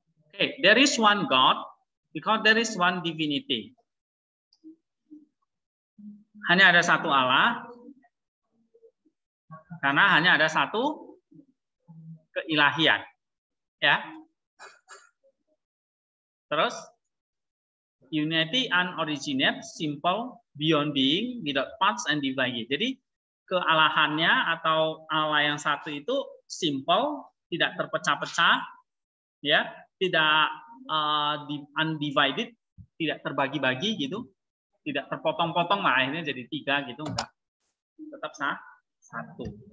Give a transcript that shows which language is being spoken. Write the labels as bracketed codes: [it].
[en] Okay, there is one God because there is one divinity. [id] Hanya ada satu Allah karena hanya ada satu keilahian, ya. Terus [en] unity unoriginate, simple, beyond being, without parts and divided. [id] Jadi kealahannya atau Allah yang satu itu simple, tidak terpecah-pecah, ya, tidak undivided, tidak terbagi-bagi gitu. Tidak terpotong-potong, nah akhirnya jadi tiga gitu, enggak. Tetap satu.